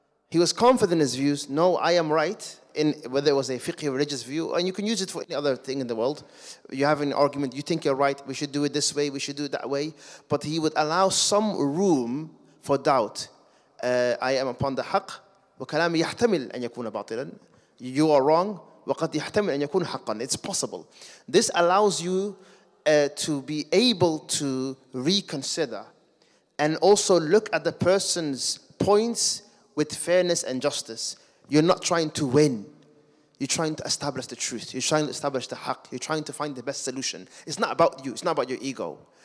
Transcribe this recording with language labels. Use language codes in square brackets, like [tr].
[en] He was confident in his views. No, I am right, in whether it was a fiqh religious view, and you can use it for any other thing in the world. You have an argument, you think you're right, we should do it this way, we should do it that way. But he would allow some room for doubt. [ar] I am upon the haqq, وَكَلَامِ يَحْتَمِلْ أَنْ يَكُونَ بَاطِلًا. You are wrong, وَقَدْ يَحْتَمِلْ أَنْ يَكُونَ حَقًا. [en] It's possible. This allows you to be able to reconsider and also look at the person's points with fairness and justice. You're not trying to win. You're trying to establish the truth. You're trying to establish the haqq. You're trying to find the best solution. It's not about you. It's not about your ego.